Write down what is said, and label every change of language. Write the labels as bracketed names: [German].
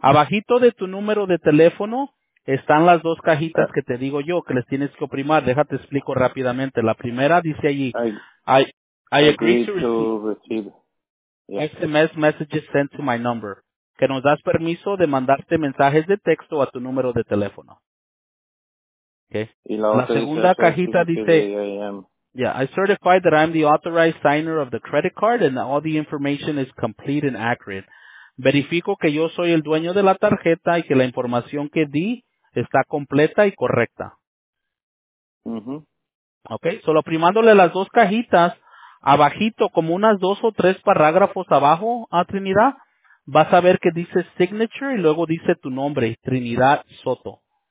[Spanish] Abajito de tu número de teléfono están las dos cajitas que te digo yo que les tienes que oprimar. Déjate explico rápidamente. La primera dice allí. [English] I agree to receive. SMS messages sent to my number. [Spanish] Que nos das permiso de mandarte mensajes de texto a tu número de teléfono. [English] Okay. [Spanish] Y la segunda dice, cajita dice, [English] I certify that I'm the authorized signer of the credit card and all the information is complete and accurate. [Spanish] Verifico que yo soy el dueño de la tarjeta y que la información que di está completa y correcta. Mm-hmm. [English] Okay. [Spanish] Solo primándole las dos cajitas, abajito, como unas 2 o 3 parágrafos abajo, a Trinidad, vas a ver que dice signature y luego dice tu nombre, Trinidad Soto.